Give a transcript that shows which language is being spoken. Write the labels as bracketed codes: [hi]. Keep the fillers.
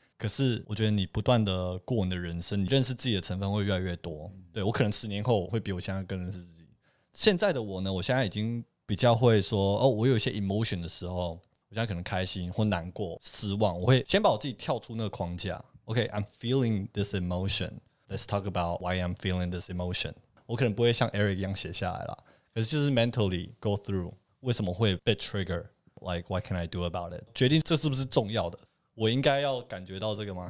[zh] 可是，我觉得你不断的过你的人生，你认识自己的成分会越来越多。对我可能十年后会比我现在更认识自己。现在的我呢，我现在已经比较会说哦，我有一些 emotion 的时候，我现在可能开心或难过、失望，我会先把我自己跳出那个框架。 [en] Okay, I'm feeling this emotion. Let's talk about why I'm feeling this emotion. [zh] 我可能不会像 Eric 一样写下来了，可是就是 [en] mentally go through [zh] 为什么会被 trigger, [en] like what can I do about it? [zh] 决定这是不是重要的，我应该要感觉到这个吗？